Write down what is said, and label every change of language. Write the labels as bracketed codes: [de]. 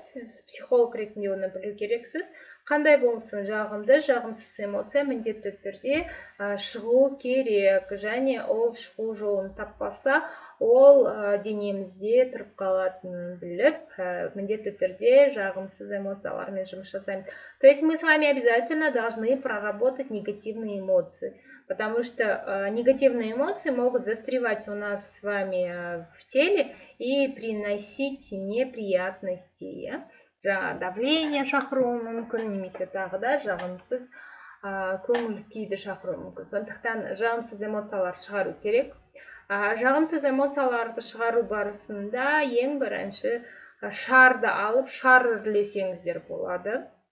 [kk] Сіз психолог ретінде оны білу керексіз. Қандай болсын жағымды, жағымсыз эмоция міндетті түрде шығу керек. Және ол шығу жолын таппаса, ол денемізде тұрып қалатынын біліп, міндетті түрде жағымсыз эмоциялармен жұмыс жасаймын. [ru] То есть мы с вами обязательно должны проработать негативные эмоции. Потому что негативные эмоции могут застревать у нас с вами в теле и приносить неприятности. [kk] Давление шақыруы мүмкін, немесе тағы да жағымсыз көңіл-күйді шақыруы мүмкін. Сондықтан жағымсыз эмоциялар шығару керек. Жағымсыз эмоцияларды шығару барысында ең бірінші шарды алып, шар үрлесеңіздер болады.